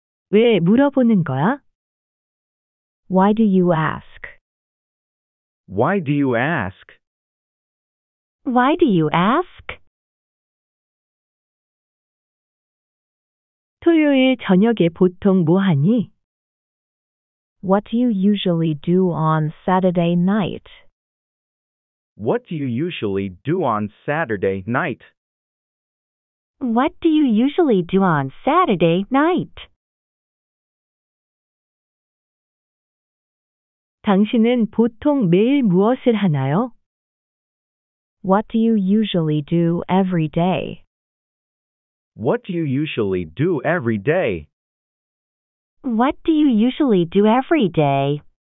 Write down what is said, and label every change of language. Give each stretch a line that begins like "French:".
Korean: 왜 물어보는 거야?
English: Why do you ask? Why do you ask? Why do you ask?
Korean: 토요일 저녁에 보통 뭐 하니?
English: What do you usually do on Saturday night? What do you usually do on Saturday night? What do you usually do on Saturday night?
Korean: 당신은 보통 매일 무엇을 하나요?
English: What do you usually do every day? What do you usually do every day? What do you usually do every day?